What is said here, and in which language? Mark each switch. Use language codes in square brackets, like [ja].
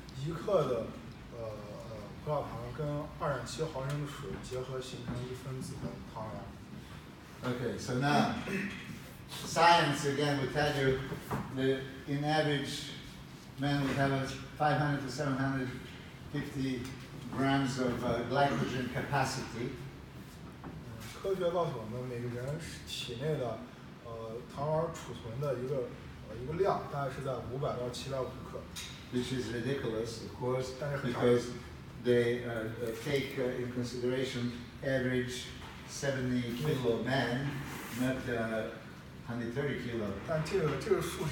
[zh] 一克的葡萄糖跟2.7毫升的水结合形成一分子的糖原。 [en] Okay, so now, science again will tell you that in average, men will have 500 to 750 grams of glycogen capacity. [zh] 科学告诉我们每个人体内的糖原储存的一个量大概是在500到750克。 [en] Which is ridiculous, of course, because they take in consideration average 70 kilo men, not 130 kilo.